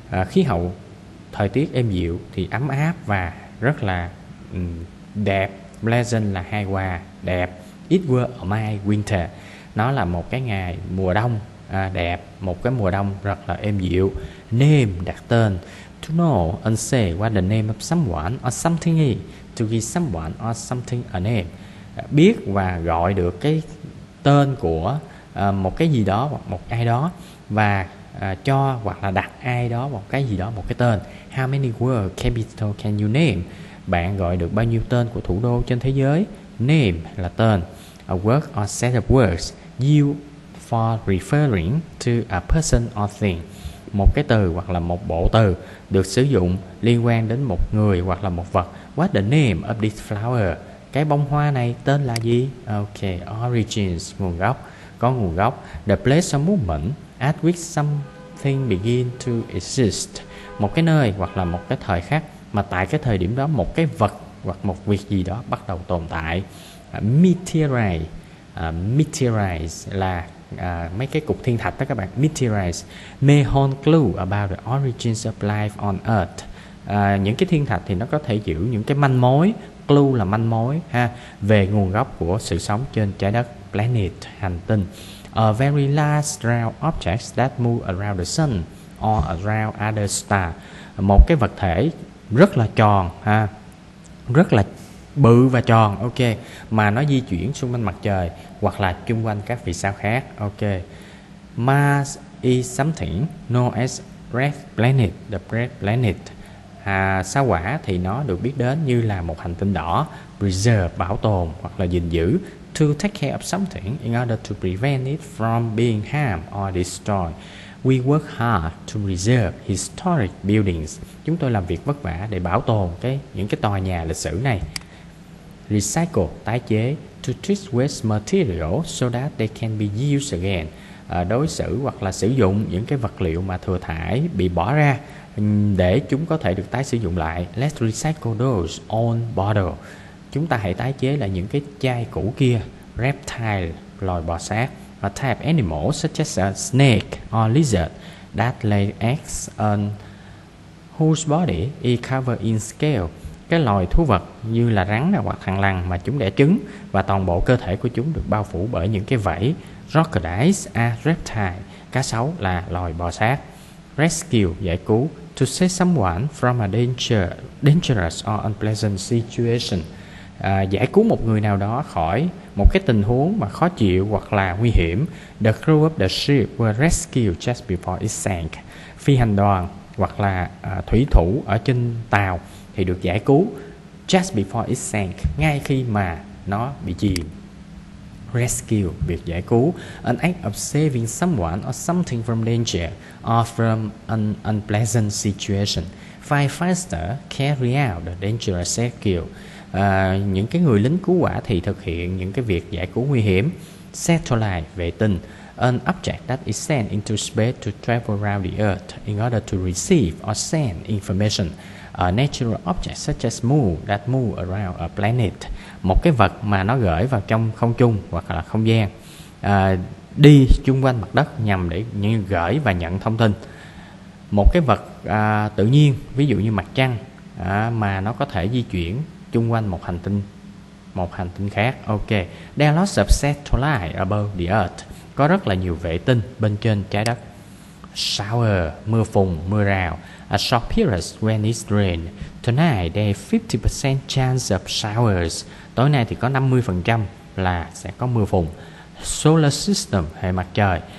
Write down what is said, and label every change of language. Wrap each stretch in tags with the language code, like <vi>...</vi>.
<vi>Khí hậu, thời tiết êm dịu thì ấm áp và rất là đẹp. Pleasant là hài hòa, đẹp.</vi> <en>It was my winter.</en> <vi>Nó là một cái ngày mùa đông đẹp, một cái mùa đông rất là êm dịu. Name, đặt tên.</vi> <en>To know and say what the name of someone or something is. To give someone or something a name.</en> <vi>Biết và gọi được cái tên của một cái gì đó hoặc một ai đó, và cho hoặc là đặt ai đó một cái gì đó một cái tên.</vi> <en>How many world capital can you name?</en> <vi>Bạn gọi được bao nhiêu tên của thủ đô trên thế giới?</vi> <en>Name</en> <vi>là tên.</vi> <en>A word or set of words used for referring to a person or thing.</en> <vi>Một cái từ hoặc là một bộ từ được sử dụng liên quan đến một người hoặc là một vật.</vi> <en>What the name of this flower?</en> <vi>Cái bông hoa này tên là gì? Okay, origins, nguồn gốc. Có nguồn gốc.</vi> <en>The place of movement at which something begin to exist.</en> <vi>Một cái nơi hoặc là một cái thời khắc mà tại cái thời điểm đó một cái vật hoặc một việc gì đó bắt đầu tồn tại. Meteorize. Meteorize là mấy cái cục thiên thạch đó các bạn.</vi> <en>Meteorize may hold clue about the origins of life on earth.</en> <vi>Những cái thiên thạch thì nó có thể giữ những cái manh mối. Clue là manh mối ha, về nguồn gốc của sự sống trên trái đất. Planet, hành tinh.</vi> <en>A very large round object that move around the sun or around other star.</en> <vi>Một cái vật thể rất là tròn ha, rất là bự và tròn, ok, mà nó di chuyển xung quanh mặt trời hoặc là chung quanh các vì sao khác, ok.</vi> <en>Mars is something known as red planet, the red planet.</en> <vi>Sao Hỏa thì nó được biết đến như là một hành tinh đỏ. Preserve, bảo tồn hoặc là gìn giữ.</vi> <en>To take care of something in order to prevent it from being harmed or destroyed. We work hard to preserve historic buildings.</en> <vi>Chúng tôi làm việc vất vả để bảo tồn những cái tòa nhà lịch sử này. Recycle, tái chế.</vi> <en>To treat waste material so that they can be used again.</en> <vi>Đối xử hoặc là sử dụng những cái vật liệu mà thừa thải bị bỏ ra để chúng có thể được tái sử dụng lại.</vi> <en>Let's recycle those old bottles.</en> <vi>Chúng ta hãy tái chế lại những cái chai cũ kia.</vi> <en>Reptile,</en> <vi>loài bò sát.</vi> <en>A type animal such as a snake or lizard that lays eggs on whose body is covered in scales.</en> <vi>Cái loài thú vật như là rắn hoặc thằn lằn mà chúng đẻ trứng và toàn bộ cơ thể của chúng được bao phủ bởi những cái vảy.</vi> <en>Crocodiles are reptiles.</en> <vi>Cá sấu là loài bò sát.</vi> <en>Rescue,</en> <vi>giải cứu.</vi> <en>To save someone from a dangerous or unpleasant situation.</en> <vi>Giải cứu một người nào đó khỏi một cái tình huống mà khó chịu hoặc là nguy hiểm.</vi> <en>The crew of the ship were rescued just before it sank.</en> <vi>Phi hành đoàn hoặc là thủy thủ ở trên tàu thì được giải cứu</vi> <en>just before it sank,</en> <vi>ngay khi mà nó bị chìm.</vi> <en>Rescue,</en> <vi>việc giải cứu.</vi> <en>An act of saving someone or something from danger or from an unpleasant situation. Firefighter carry out the dangerous rescue.</en> <vi>Những cái người lính cứu hỏa thì thực hiện những cái việc giải cứu nguy hiểm. Satellite, vệ tinh.</vi> <en>An object that is sent into space to travel around the earth in order to receive or send information. A natural object such as moon that move around a planet.</en> <vi>Một cái vật mà nó gửi vào trong không trung hoặc là không gian, đi chung quanh mặt đất nhằm để gửi và nhận thông tin. Một cái vật tự nhiên, ví dụ như mặt trăng, mà nó có thể di chuyển chung quanh một hành tinh khác.</vi> <en>Ok, there are lots of satellites above the earth.</en> <vi>Có rất là nhiều vệ tinh bên trên trái đất. Shower, mưa phùn, mưa rào.</vi> <en>A short period when it's rained. Tonight there is 50% chance of showers.</en> <vi>Tối nay thì có 50% là sẽ có mưa phùn. Solar system, hệ mặt trời.</vi>